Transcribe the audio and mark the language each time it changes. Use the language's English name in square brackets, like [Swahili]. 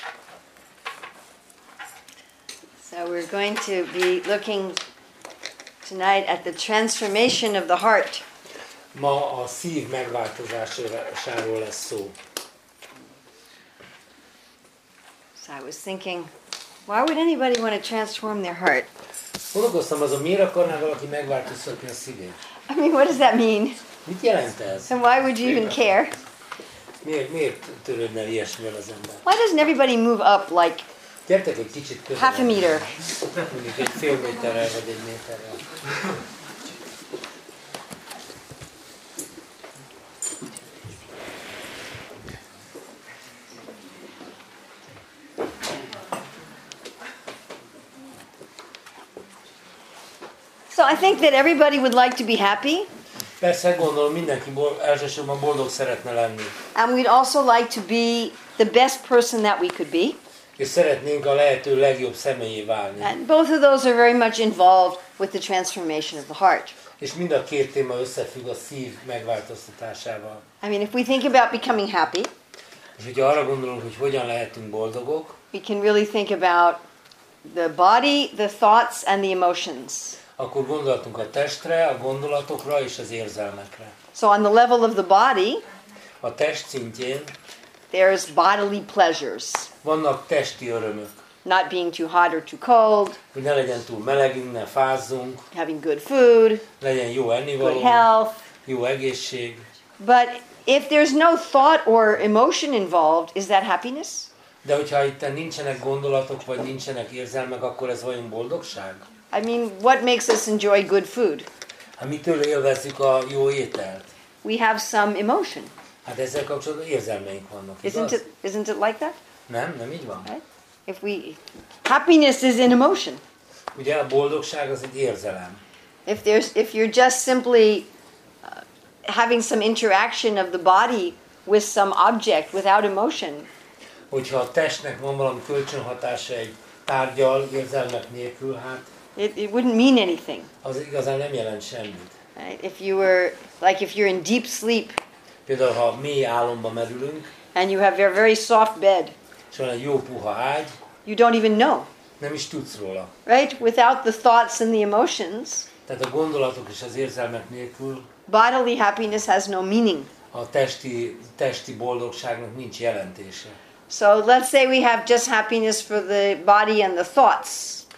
[English] Jaj! So we're going to be looking tonight at the transformation of the heart. [Hungarian] Ma a szív megváltozásáról lesz szó. [English] So I was thinking, why would anybody want to transform their heart? [Hungarian] Gondolkoztam azon, miért akarná valaki megváltoztatni a szívét? [English] I mean, what does that mean? [Hungarian] Mit jelent ez? [English] And why would you even care? [Hungarian] Miért törődne ilyesmivel az ember? [English] Why doesn't everybody move up like [Hungarian] gyertek egy kicsit közelebb. [English] Half a meter. [Hungarian] Mondjuk egy fél méterrel, vagy egy méterrel. [English] So I think that everybody would like to be happy. [Hungarian] Persze, gondolom, mindenki elsősorban boldog szeretne lenni. [English] And we'd also like to be the best person that we could be. [Hungarian] És szeretnénk a lehető legjobb személyé válni. [English] And both of those are very much involved with the transformation of the heart. [Hungarian] És mind a két téma összefügg a szív megváltoztatásával. [English] I mean, if we think about becoming happy, [Hungarian] és hogyha arra gondolunk, hogy hogyan lehetünk boldogok, [English] we can really think about the body, the thoughts and the emotions. [Hungarian] Akkor gondolhatunk a testre, a gondolatokra és az érzelmekre. [English] So on the level of the body, [Hungarian] a test szintjén, [English] there's bodily pleasures. [Hungarian] Vannak testi örömök. [English] Not being too hot or too cold. [Hungarian] Hogy ne legyen túl melegünk, ne fázzunk. [English] Having good food. [Hungarian] Legyen jó ennivalónk. [English] Good health. [Hungarian] Jó egészség. [English] But if there's no thought or emotion involved, is that happiness? [Hungarian] De hogyha itt nincsenek gondolatok vagy nincsenek érzelmek, akkor ez vajon boldogság? [English] I mean, what makes us enjoy good food? [Hungarian] Hát mitől élvezzük a jó ételt? [English] We have some emotion. [Hungarian] Hát ezzel kapcsolatban érzelmeink vannak, igaz? [English] Isn't it like that? [Hungarian] Nem így van. [English] Right? Happiness is an emotion. [Hungarian] Ugye a boldogság az egy érzelem. [English] If you're just simply having some interaction of the body with some object without emotion. [Hungarian] Hogyha a testnek van valami kölcsönhatása egy tárgyal, érzelmek nélkül, hát [English] it wouldn't mean anything. [Hungarian] Az igazán nem jelent semmit. [English] Right? If you're in deep sleep. [Hungarian] Például ha mély álomba merülünk. [English] And you have a very soft bed. [Hungarian] Csak egy jó puha ágy. [English] You don't even know. [Hungarian] Nem is tudsz róla. [English] Right? Without the thoughts and the emotions. [Hungarian] Tehát a gondolatok és az érzelmek nélkül. [English] Bodily happiness has no meaning. [Hungarian] A testi boldogságnak nincs jelentése. [English] So let's say we have just happiness for the body and the thoughts.